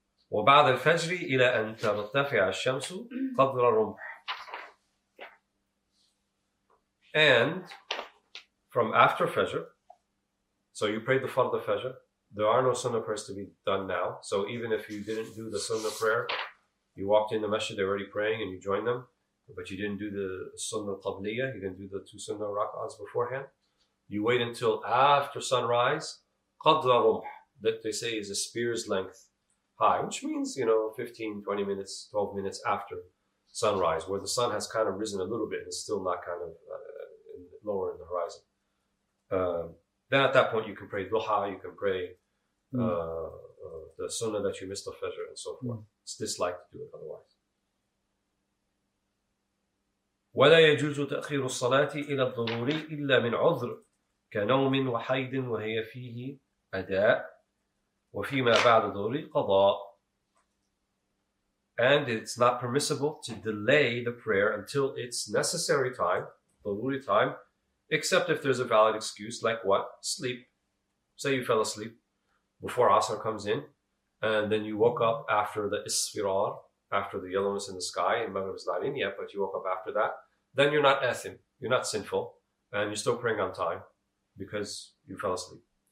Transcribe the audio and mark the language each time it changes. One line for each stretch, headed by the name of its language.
Arabic: وبعد الفجر إلى أن ترتفع الشمس قدر الرمح.
English: And from after Fajr, so you prayed the Fard of Fajr, there are no Sunnah prayers to be done now. So even if you didn't do the Sunnah prayer, you walked in the Masjid, they're already praying and you joined them, but you didn't do the Sunnah Qabliyah, you didn't do the two Sunnah Rak'ahs beforehand. You wait until after sunrise,
Arabic: قَدْرَ رُمْحِ,
English: that they say is a spear's length high, which means, you know, 15, 20 minutes, 12 minutes after sunrise, where the sun has kind of risen a little bit and still not kind of lower in the horizon. Then at that point, you can pray duha, you can pray the sunnah that you missed of Fajr and so forth. It's disliked to do it otherwise.
Arabic: وَلَا يَجُوزُ تَأْخِيرُ الصَّلَاةِ إِلَى الضُّرُورِ إِلَّا مِنْ عُذْرٍ كنوم وحيد وهي فيه أداء وفيما بعد ظهر قضاء.
English: And it's not permissible to delay the prayer until it's necessary time, ضروري time, except if there's a valid excuse, like what? Sleep. Say you fell asleep before Asr comes in, and then you woke up after the Isfirar, after the yellowness in the sky, and Maghrib is not in yet, but you woke up after that, then you're not athim, you're not sinful, and you're still praying on time, because you fell asleep.